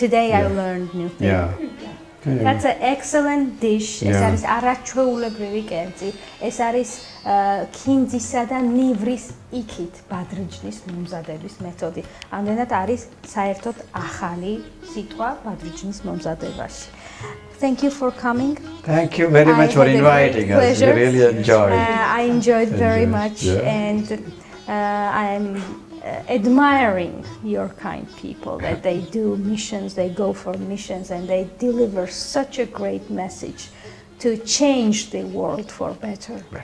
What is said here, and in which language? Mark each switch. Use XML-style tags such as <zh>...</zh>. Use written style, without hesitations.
<en>Today I learned new things. That's an excellent dish. Yeah.</en> <ka>Es არის არაჩვეულებრივი კერძი. Es არის ქინძისა და ნივრის იქით ბადრიჯნის მომზადების მეთოდი. Ამდენად არის საერთოდ ახალი სიტყვა ბადრიჯნის მომზადებაში.</ka> <en>Thank you for coming. Thank you very much for inviting us. Pleasure. We really enjoyed. I enjoyed very much. And I'm admiring your kind people, that they do missions, they go for missions, and they deliver such a great message to change the world for better.</en>